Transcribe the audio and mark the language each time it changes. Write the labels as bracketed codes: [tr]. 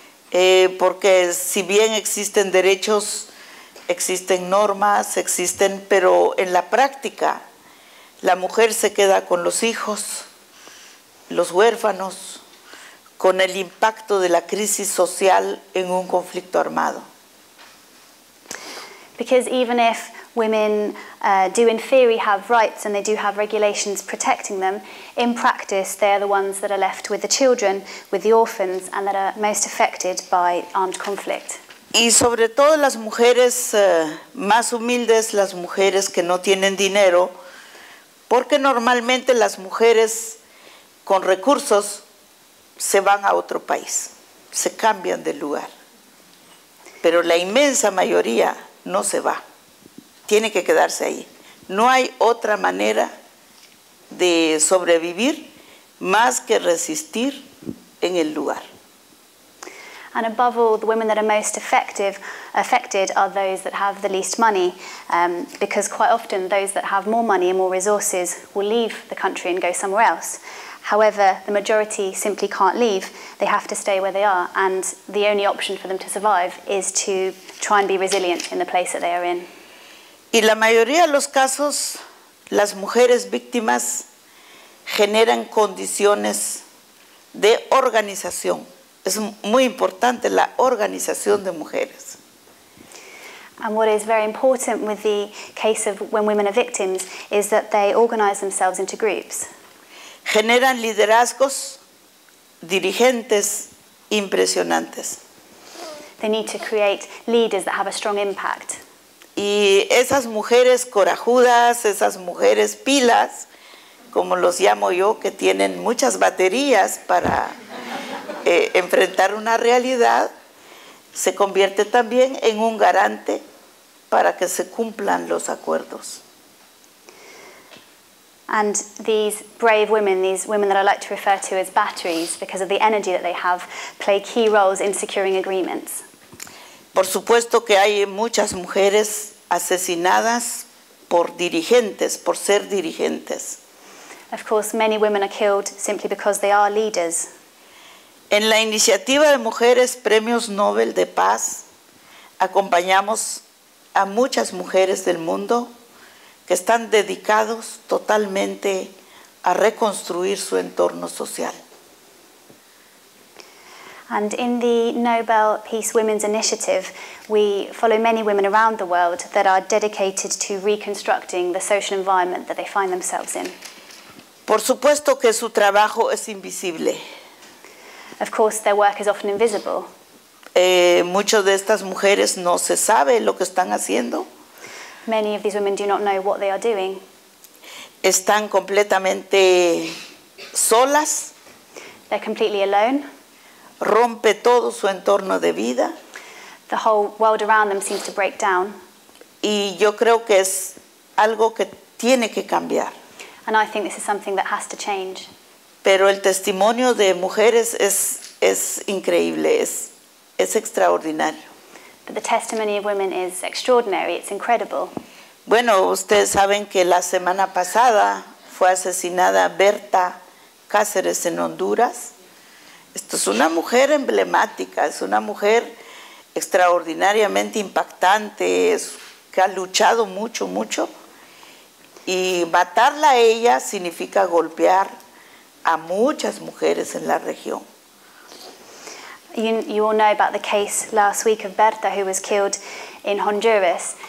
[es] Porque si bien existen derechos, existen normas, existen, pero en la práctica, la mujer se queda con los hijos, los huérfanos, con el impacto de la crisis social en un conflicto armado. [en] Because even if women do in theory have rights and they do have regulations protecting them, in practice they are the ones that are left with the children, with the orphans, and that are most affected by armed conflict. [es] Y sobre todo las mujeres más humildes, las mujeres que no tienen dinero, porque normalmente las mujeres con recursos se van a otro país, se cambian de lugar. Pero la inmensa mayoría no se va, tiene que quedarse ahí. No hay otra manera de sobrevivir más que resistir en el lugar. [en] And above all, the women that are most affected are those that have the least money, because quite often those that have more money and more resources will leave the country and go somewhere else. However, the majority simply can't leave. They have to stay where they are, and the only option for them to survive is to try and be resilient in the place that they are in. [es] Y la mayoría de los casos, las mujeres víctimas generan condiciones de organización. Es muy importante la organización de mujeres. [en] And what is very important with the case of when women are victims is that they organize themselves into groups. [es] Generan liderazgos, dirigentes impresionantes. [en] They need to create leaders that have a strong impact. [es] Y esas mujeres corajudas, esas mujeres pilas, como los llamo yo, que tienen muchas baterías para enfrentar una realidad, se convierte también en un garante para que se cumplan los acuerdos. [en] And these brave women, these women that I like to refer to as batteries because of the energy that they have, play key roles in securing agreements. [es] Por supuesto que hay muchas mujeres asesinadas por dirigentes, por ser dirigentes. [en] Of course, many women are killed simply because they are leaders. [es] En la iniciativa de Mujeres Premios Nobel de Paz, acompañamos a muchas mujeres del mundo que están dedicados totalmente a reconstruir su entorno social. [en] And in the Nobel Peace Women's Initiative, we follow many women around the world that are dedicated to reconstructing the social environment that they find themselves in. [es] Por supuesto que su trabajo es invisible. [en] Of course, their work is often invisible. [es] Muchos de estas mujeres no se sabe lo que están haciendo. [en] Many of these women do not know what they are doing. [es] Están completamente solas. [en] They're completely alone. [es] Rompe todo su entorno de vida. [en] The whole world around them seems to break down. [es] Y yo creo que es algo que tiene que cambiar. [en] And I think this is something that has to change. [es] Pero el testimonio de mujeres es increíble, es extraordinario. [en] But the testimony of women is extraordinary, it's incredible. [es] Bueno, ustedes saben que la semana pasada fue asesinada Berta Cáceres en Honduras. Esto es una mujer emblemática, es una mujer extraordinariamente impactante, que ha luchado mucho, mucho. Y matarla a ella significa golpear a muchas mujeres en la región. [en] You all know about the case last week of Berta, who was killed in Honduras.